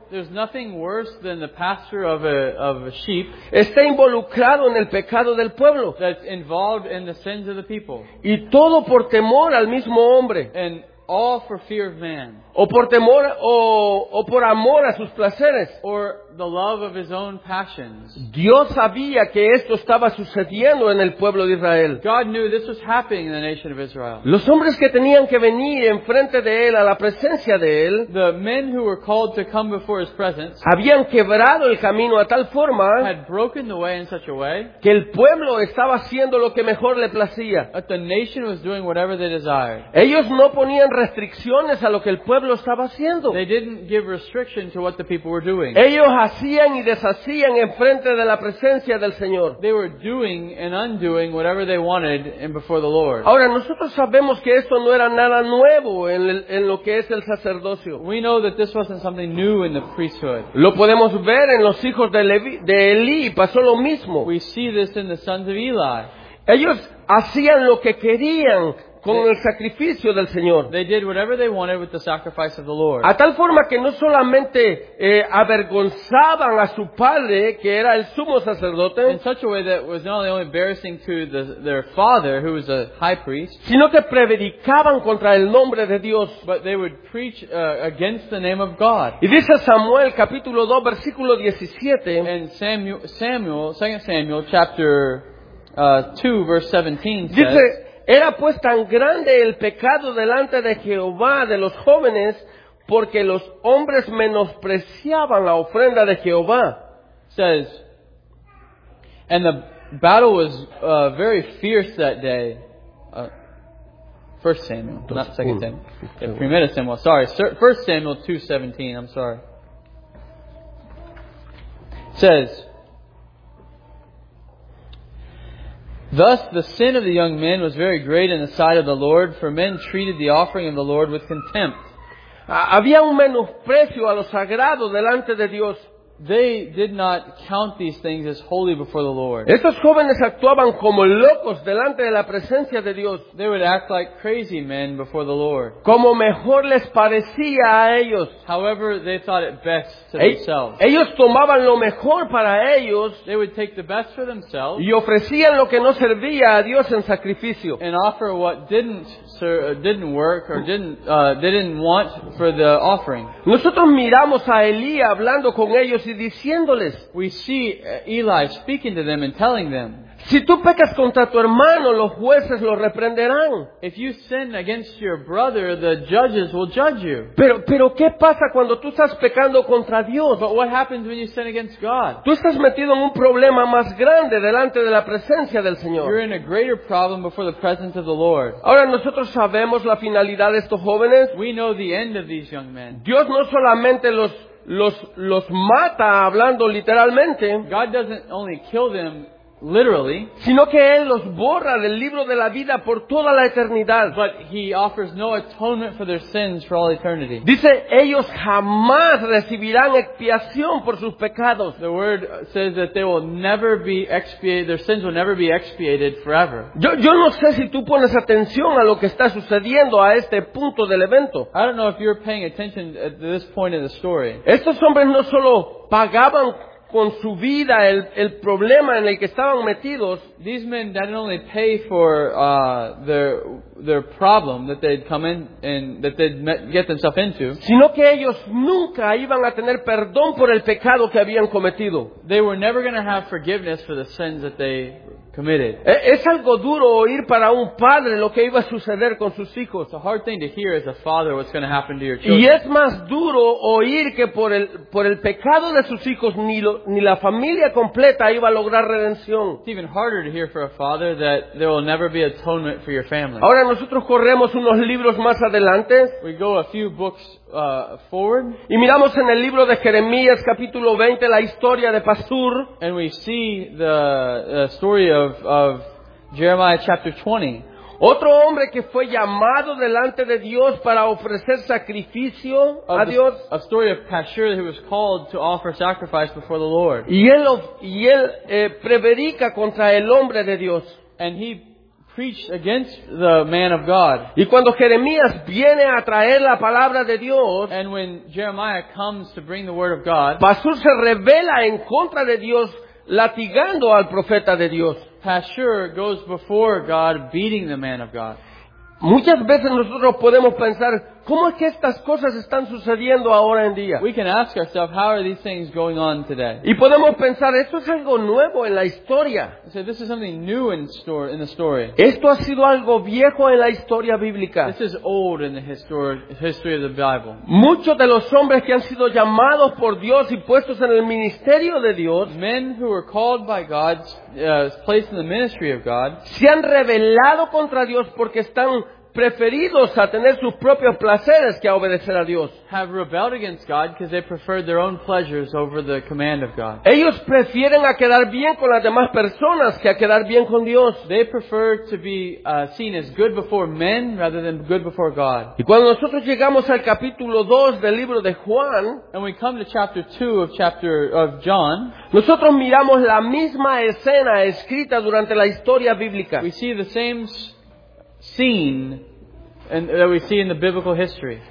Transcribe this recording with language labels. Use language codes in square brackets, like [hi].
[en] There's nothing worse than the pastor of a sheep. [es] Está involucrado en el pecado del pueblo. [en] That's involved in the sins of the people. [es] Y todo por temor al mismo hombre. [en] And all for fear of man. [es] O por temor o por amor a sus placeres. [en] Or the love of his own passions. [es] Dios sabía que esto estaba sucediendo en el pueblo de Israel. [en] God knew this was happening in the nation of Israel. [es] Los hombres que tenían que venir enfrente de él, a la presencia de él, [en] the men who were called to come before his presence, [es] habían quebrado el camino a tal forma, [en] had broken the way in such a way, [es] que el pueblo estaba haciendo lo que mejor le placía. [en] That the nation was doing whatever they desired. [es] Ellos no ponían restricciones a lo que el pueblo estaba haciendo. [en] They didn't give restriction to what the people were doing. [es] Ellos hacían y deshacían en frente de la presencia del Señor. [en] They were doing and undoing whatever they wanted in before the Lord. [es] Ahora, nosotros sabemos que esto no era nada nuevo en lo que es el sacerdocio. [en] We know that this wasn't something new in the priesthood. [es] Lo podemos ver en los hijos de Eli, pasó lo mismo. [en] We see this in the sons of Eli. [es] Ellos hacían lo que querían con el sacrificio del Señor. [en] They did whatever they wanted with the sacrifice of the Lord. [es] A tal forma que no solamente avergonzaban a su padre, que era el sumo sacerdote, [en] in such a way that was not only embarrassing to their father, who was a high priest, [es] sino que predicaban contra el nombre de Dios. [en] But they would preach against the name of God. [es] Y dice Samuel, capítulo 2, versículo 17, [en] and Samuel, 2 Samuel, chapter 2, verse 17, [es] dice, era pues tan grande el pecado delante de Jehová de los jóvenes, porque los hombres menospreciaban la ofrenda de Jehová. [en] Says, and the battle was very fierce that day. 1 Samuel, not 2 Samuel. 1 Samuel, sorry. 1 Samuel 2:17, I'm sorry. Says, thus the sin of the young men was very great in the sight of the Lord, for men treated the offering of the Lord with contempt. [es] Había un menosprecio a lo sagrado delante de Dios. [en] They did not count these things as holy before the Lord. [es] Estos jóvenes actuaban como locos delante de la presencia de Dios. [en] They would act like crazy men before the Lord. [es] Como mejor les parecía a ellos. [en] However, they thought it best to themselves. [es] Ellos tomaban lo mejor para ellos. [en] They would take the best for themselves. [es] Y ofrecían lo que no servía a Dios en sacrificio. [en] And offer what didn't work or didn't want for the offering. [es] Nosotros miramos a Elías hablando con ellos y diciéndoles, [en] we see Eli speaking to them and telling them, [es] si tú pecas contra tu hermano, los jueces lo reprenderán. [en] If you sin against your brother, the judges will judge you. [es] Pero ¿qué pasa cuando tú estás pecando contra Dios? [en] But what happens when you sin against God? [es] Tú estás metido en un problema más grande delante de la presencia del Señor. [en] You're in a greater problem before the presence of the Lord. [es] Ahora, nosotros sabemos la finalidad de estos jóvenes. [en] We know the end of these young men. [es] Dios no solamente los mata hablando literalmente, [en] God doesn't only kill them literally, [es] sino que Él los borra del libro de la vida por toda la eternidad. [en] But He offers no atonement for their sins for all eternity. [es] Dice, ellos jamás recibirán expiación por sus pecados. [en] The word says that they will never be expiated, their sins will never be expiated forever. [es] Yo no sé si tú pones atención a lo que está sucediendo a este punto del evento. [en] I don't know if you're paying attention at this point in the story. [es] Estos hombres no solo pagaban con su vida el problema en el que estaban metidos. [en] These men didn't only pay for their problem that they'd come in and that they'd get themselves into, [es] sino que ellos nunca iban a tener perdón por el pecado que habían cometido. [en] They were never going to have forgiveness for the sins that they committed. [es] Es algo duro oír para un padre lo que iba a suceder con sus hijos. [en] It's a hard thing to hear as a father what's going to happen to your children. [es] Y es más duro oír que por el pecado de sus hijos ni la familia completa iba a lograr redención. [en] It's even harder to hear for a father that there will never be atonement for your family. [es] Ahora nosotros corremos unos libros más adelante. [en] We go a few books forward. [es] Y miramos en el libro de Jeremías capítulo 20 la historia de Pastur. [en] And we see the story of Jeremiah chapter 20. [es] Otro hombre que fue llamado delante de Dios para ofrecer sacrificio a Dios. [en] A story of Pashur who was called to offer sacrifice before the Lord. [es] Y él prevarica contra el hombre de Dios. [en] And he preached against the man of God. [es] Y cuando Jeremías viene a traer la palabra de Dios, [en] and when Jeremiah comes to bring the word of God, [es] Pashur se revela en contra de Dios, latigando al profeta de Dios. [en] Pashur goes before God, beating the man of God. [es] Muchas veces nosotros podemos pensar, ¿cómo es que estas cosas están sucediendo ahora en día? [en] We can ask ourselves, how are these things going on today? [es] Y podemos pensar, esto es algo nuevo en la historia. [en] So this is something new in the story. [es] Esto ha sido algo viejo en la historia bíblica. [en] This is old in the history of the Bible. [es] Muchos de los hombres que han sido llamados por Dios y puestos en el ministerio de Dios, [en] men who were called by God, placed in the ministry of God, [es] se han rebelado contra Dios porque están preferidos a tener sus propios placeres que a obedecer a Dios. [en] Have rebelled against God because they preferred their own pleasures over the command of God. [es] Ellos prefieren a quedar bien con las demás personas que a quedar bien con Dios. [en] They prefer to be seen as good before men rather than good before God. [es] Y cuando nosotros llegamos al capítulo 2 del libro de Juan, [en] and we come to chapter 2 of John, [es] nosotros miramos la misma escena escrita durante la historia bíblica. [en] We see the same scene and that we see in the biblical history.